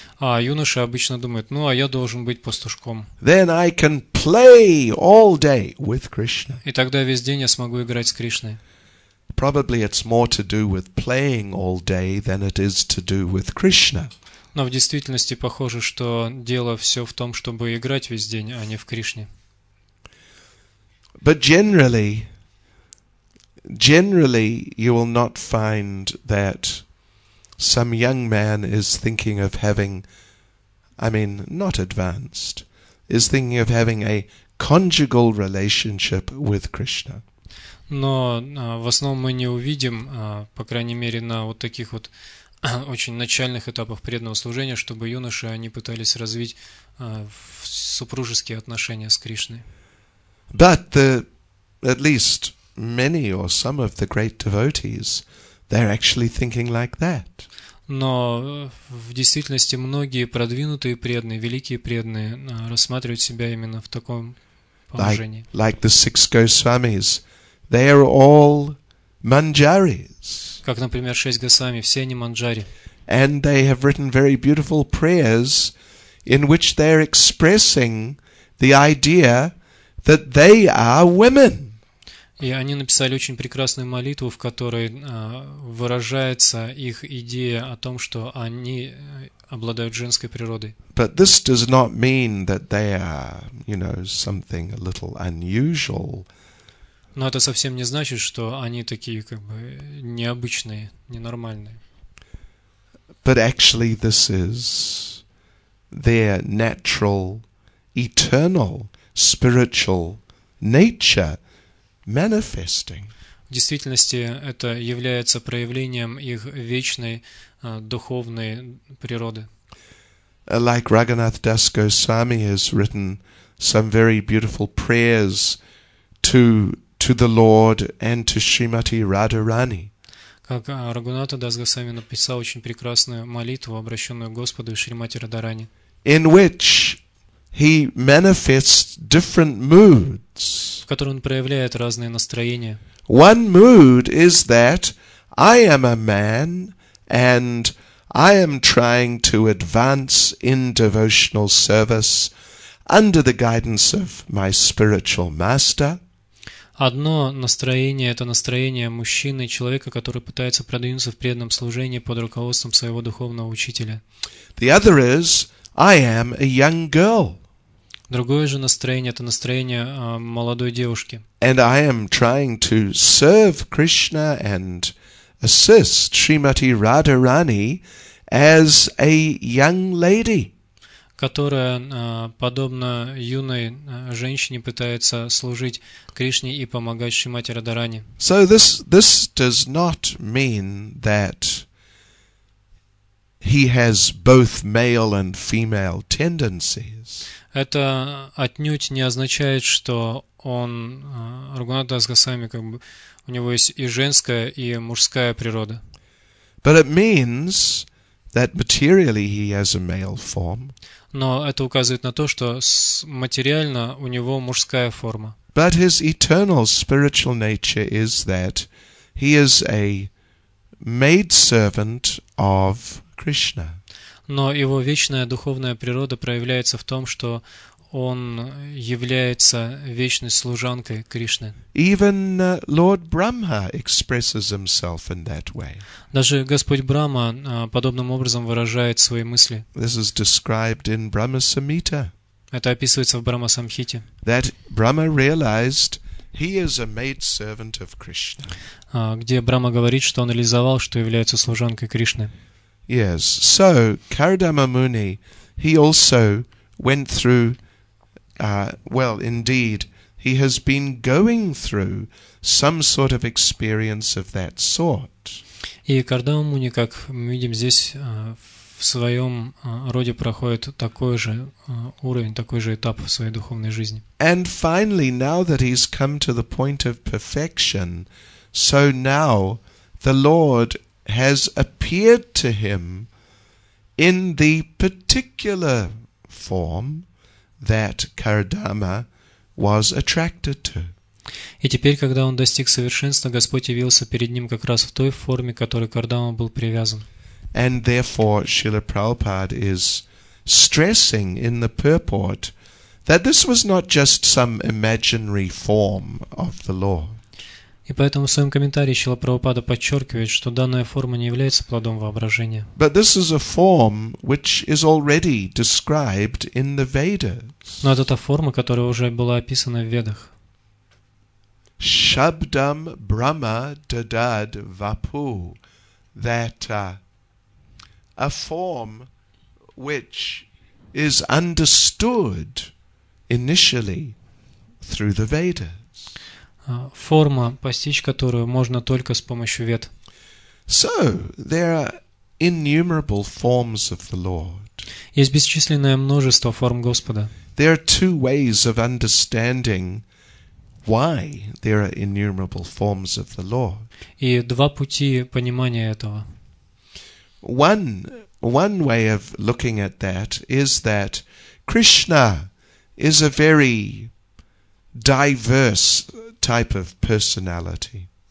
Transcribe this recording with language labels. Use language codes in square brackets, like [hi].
[ru] А юноша обычно думает, ну а я должен быть пастушком. [en] Then I can play all day with Krishna. [ru] И тогда весь день я смогу играть с Кришной. [en] Probably it's more to do with playing all day than it is to do with Krishna. [ru] Но в действительности похоже, что дело все в том, чтобы играть весь день, а не в Кришне. [en] But generally you will not find that some young man is thinking of having, not advanced, is thinking of having a conjugal relationship with Krishna. [ru] Но в основном мы не увидим, по крайней мере, на вот таких вот очень начальных этапах преданного служения, чтобы юноши, они пытались развить супружеские отношения с Кришной. [en] But at least many or some of the great devotees, they're actually thinking like that. [ru] Но в действительности многие продвинутые преданные, великие преданные рассматривают себя именно в таком положении. [en] Like the six Goswamis, they are all manjaris. [ru] Как, например, шесть Госвами, все они манджари. [en] And they have written very beautiful prayers in which they are expressing the idea that they are women. [ru] И они написали очень прекрасную молитву, в которой выражается их идея о том, что они обладают женской природой. [en] But this does not mean that they are, you know, something a little unusual. [ru] Но это совсем не значит, что они такие как бы необычные, ненормальные. [en] But actually this is their natural, eternal, spiritual nature. Manifesting. [ru] В действительности это является проявлением их вечной духовной природы. [en] Like Raghunath Das Goswami has written some very beautiful prayers to the Lord and to Shrimati Radharani. [ru] Как Рагхунатха Дас Госвами написал очень прекрасную молитву, обращенную Господу и Шримати Радарани. [en] In which he manifests different moods. [ru] В котором он проявляет разные настроения. [en] One mood is that I am a man and I am trying to advance in devotional service under the guidance of my spiritual master. [ru] Одно настроение – это настроение мужчины, человека, который пытается продвинуться в преданном служении под руководством своего духовного учителя. [en] The other is I am a young girl. [ru] Другое же настроение – это настроение молодой девушки. [en] And I am trying to serve Krishna and assist Srimati Radharani as a young lady. [ru] Которая, подобно юной женщине, пытается служить Кришне и помогать Шримати Радарани. [en] So this does not mean that he has both male and female tendencies. [ru] Это отнюдь не означает, что он, Рагхунатх Дас Госвами, как бы, у него есть и женская, и мужская природа. [en] But it means that materially he has a male form. [ru] Но это указывает на то, что материально у него мужская форма. [en] But his eternal spiritual nature is that he is a maidservant of Krishna. [ru] Но его вечная духовная природа проявляется в том, что он является вечной служанкой Кришны. [en] Even Lord Brahma expresses himself in that way. [ru] Даже Господь Брахма подобным образом выражает свои мысли. [en] This is described in Brahma Samhita. [ru] Это описывается в Брахма Самхите. [en] That Brahma realized He is a maidservant of Krishna. [ru] Где Брама говорит, что он реализовал, что является служанкой Кришны. [en] Yes. So, Kardama Muni, he also went through, he has been going through some sort of experience of that sort. [ru] И Кардама Муни, как мы видим здесь, в своем роде проходит такой же уровень, такой же этап в своей духовной жизни. [en] And finally, now that he's come to the point of perfection, so now the Lord has appeared to him in the particular form that Kardama was attracted to. [ru] И теперь, когда он достиг совершенства, Господь явился перед ним как раз в той форме, к которой Кардама был привязан. [en] And therefore, Srila Prabhupada is stressing in the purport that this was not just some imaginary form of the Lord. [ru] И поэтому в своем комментарии Шрила Прабхупада подчеркивает, что данная форма не является плодом воображения. [en] But this is a form which is already described in the Vedas. [ru] Но это та форма, которая уже была описана в Ведах. [sa] Шабдам Брама Дадад Вапу. [en] That a form which is understood initially through the Vedas. [ru] Форма, постичь которую можно только с помощью вед. [en] So, there are innumerable forms of the Lord. [ru] Есть бесчисленное множество форм Господа. [en] There are two ways of understanding why there are innumerable forms of the Lord. [ru] И два пути понимания этого. [en] One way of looking at that is that Krishna is a very diverse type of personality.